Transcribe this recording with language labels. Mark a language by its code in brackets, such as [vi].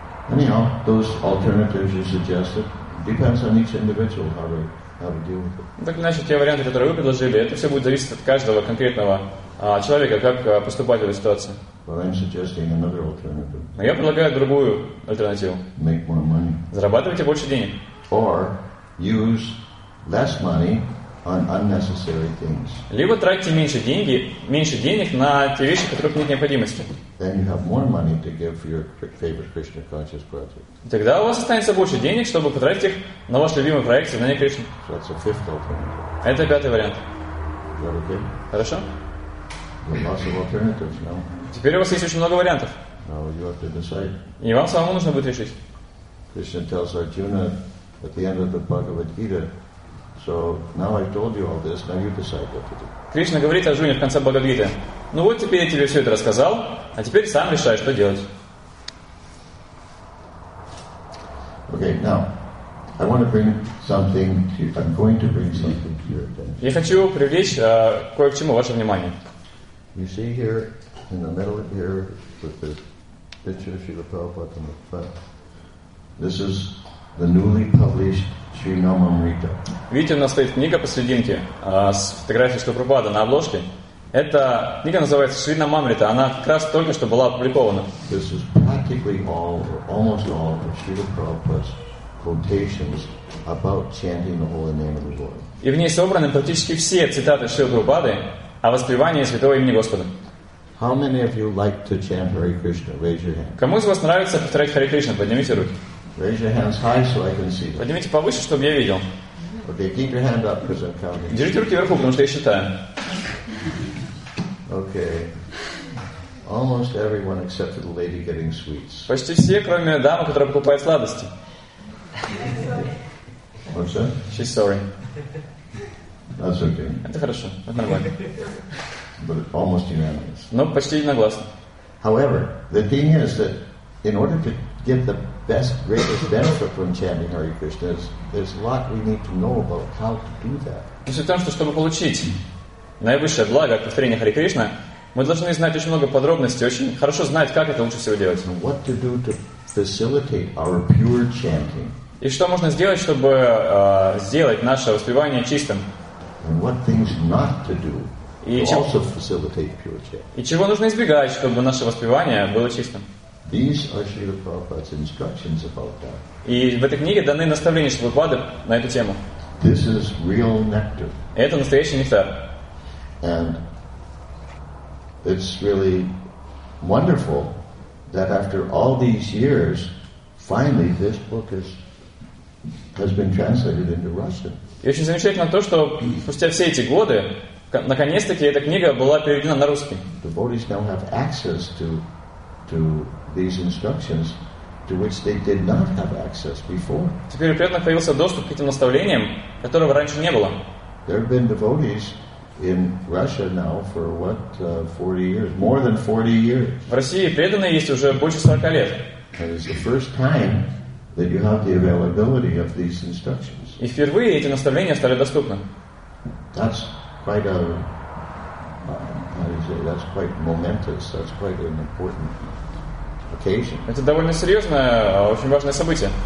[en] Anyhow, those alternatives you suggested depends on each individual how to deal with it. [ru] Так иначе, те варианты, которые вы предложили, это все будет зависеть от каждого конкретного человека, как поступать в этой ситуации. [en] But I'm suggesting another alternative. [ru] Но я предлагаю другую альтернативу. [en] Make more money. [ru] Зарабатывайте больше денег. [en] Or use less money on unnecessary things. [ru] Либо тратьте меньше денег на те вещи, которых нет необходимости. [en] Then you have more money to give for your favorite Krishna conscious project. [ru] Тогда у вас останется больше денег, чтобы потратить их на ваш любимый проект сознания Кришны. [en] So that's a fifth alternative. [ru] Это пятый вариант. [en] Is that okay? [ru] Хорошо? [en] There are lots of alternatives now. [ru] Теперь у вас есть очень много вариантов. [en] Now you have to decide. [ru] И вам самому нужно будет решить. [en] Krishna tells Arjuna at the end of the Bhagavad Gita. So now I told you all this, now you decide what to do. [ru] Кришна говорит Арджуне в конце Бхагавад Гиты: ну вот теперь я тебе все это рассказал, а теперь сам решай, что делать. [en] Okay, now I want to bring something to you. I'm going to bring something to your attention. [ru] Я хочу привлечь кое к чему ваше внимание. [en] You see here in the middle here with the picture of Srila Prabhupada on the front. This is the newly published Shrinamamrita. [ru] Видите, у нас стоит книга посерединке с фотографией Шрилы Прабхупады на обложке. Эта книга называется Шринамамрита. Она как раз только что была опубликована. [en] This is practically all, or almost all, of Srila Prabhupada's quotations about chanting the holy name of the Lord. [ru] И в ней собраны практически все цитаты Шрилы Прабхупады о воспевании святого имени Господа. [en] How many of you like to chant Hare Krishna? Raise your hand. [ru] Кому из вас нравится повторять Харе Кришна? Поднимите руки. [en] Raise your hands high so I can see them. [ru] Поднимите повыше, чтобы я видел. [en] Okay, keep your hand up because I'm counting. [ru] Держите руки вверху, потому что я считаю. [en] Okay. Almost everyone except for the lady getting sweets. [ru] Почти все, кроме дамы, которая покупает сладости. [en] What's that? She's sorry. That's okay. [ru] Это хорошо. Это нормально. [en] But almost unanimous. [ru] Но почти единогласно. [en] However, the thing is that in order to get the best, greatest benefit from chanting Hare Krishna, there's a lot we need to know about how to do that. [ru] Суть в том, что чтобы получить наивысшее благо от повторения Харе Кришна, мы должны знать очень много подробностей, очень хорошо знать, как это лучше всего делать. [en] And what to do to facilitate our pure chanting. [ru] И что можно сделать, чтобы сделать наше воспевание чистым. [en] And what things not to do to also facilitate pure chanting. [ru] И чего нужно избегать, чтобы наше воспевание было чистым. [en] These are Srila Prabhupada's instructions about that. [ru] И в этой книге даны наставления Шрилы Прабхупады на эту тему. [en] This is real nectar. [ru] Это настоящий нектар. [en] And it's really wonderful that after all these years, finally this book has been translated into Russian. [ru] И очень замечательно то, что спустя все эти годы, наконец-таки эта книга была переведена на русский. [en] Devotees now have access to these instructions to which they did not have access before. [ru] Теперь у преданных появился доступ к этим наставлениям, которого раньше не было. [en] There have been devotees in Russia now for what, 40 years? More than 40 years. [ru] В России преданные есть уже больше 40 лет. [en] And it's the first time that you have the availability of these instructions. [ru] И впервые эти наставления стали доступны. [en] That's quite a, how do you say, that's quite momentous, that's quite an important [ru] Это довольно серьезное, очень важное событие.